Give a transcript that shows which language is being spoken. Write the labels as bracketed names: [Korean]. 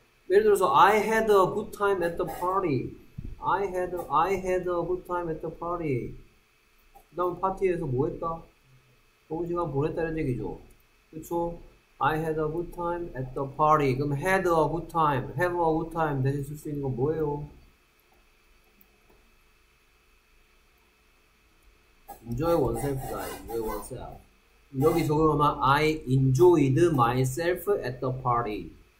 [English] 예를 들어서 I had a good time at the party. I had a good time at the party. [Korean] 그 다음 파티에서 뭐 했다? 좋은 시간 보냈다는 얘기죠. 그쵸? [English] I had a good time at the party. [Korean] 그럼 [English] had a good time, have a good time [Korean] 대신 쓸 수 있는 건 뭐예요? [English] enjoy oneself. [Korean] 여기 적용하면 [English] I enjoyed myself at the party.